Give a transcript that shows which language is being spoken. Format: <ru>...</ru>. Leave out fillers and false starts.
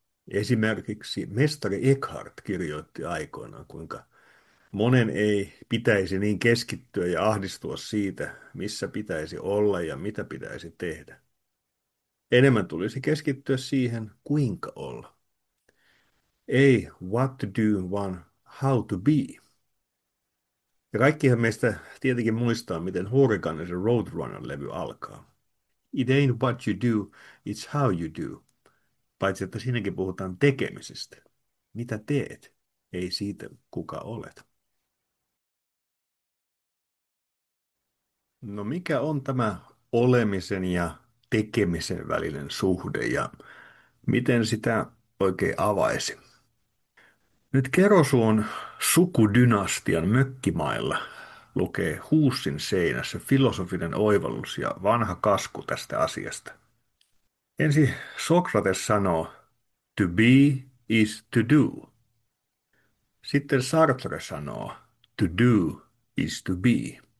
<fi>Esimerkiksi mestari Eckhart kirjoitti aikoinaan, kuinka monen ei pitäisi niin keskittyä ja ahdistua siitä, missä pitäisi olla ja mitä pitäisi tehdä. Enemmän tulisi keskittyä siihen, kuinka olla. Ei</fi> <en>what to do,</en> <fi>vaan</fi> <en>how to be.</en> <fi>Ja kaikkihan meistä tietenkin muistaa, miten Hurrikaanisen Roadrunner-levy alkaa.</fi> <en>It ain't what you do, it's how you do.</en> <fi>Paitsi että siinäkin puhutaan tekemisestä. Mitä teet, ei siitä kuka olet. No mikä on tämä olemisen ja tekemisen välinen suhde ja miten sitä oikein avaisi? Nyt Kerosuon sukudynastian mökkimailla lukee Huussin seinässä filosofinen oivallus ja vanha kasku tästä asiasta. Ensi Sokrates sanoo,</fi> <en>to be is to do.</en> <fi>Sitten Sartre sanoo,</fi> <en>to do is to be.</en>